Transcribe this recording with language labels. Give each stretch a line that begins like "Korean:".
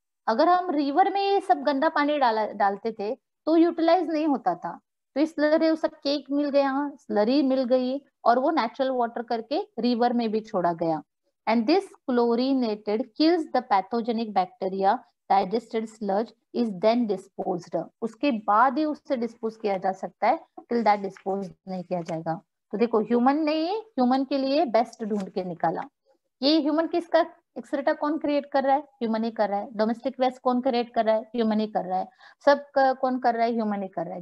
Hindi: अगर हम रिवर में ये सब गंदा पानी डालते थे तो यूटिलाइज नहीं होता था. तो इसलिए उसका केक मिल गया, स्लरी मिल गई, और वो नेचुरल वाटर करके रिवर में भी छोड़ा गया.
English: And this chlorinated kills the pathogenic bacteria. Digested sludge is then disposed.
Hindi: उसके बाद ही उससे dispose किया जा सकता है,
English: till that disposed
Hindi: नहीं किया जाएगा. तो देखो, human ने ये human के लिए best ढूंढ के निकाला. ये human किसका excreta कौन create कर रहा है? Human ही कर रहा है. Domestic waste कौन create कर रहा है? Human ही कर रहा है. सब कौन कर रहा है? Human ही कर रहा है.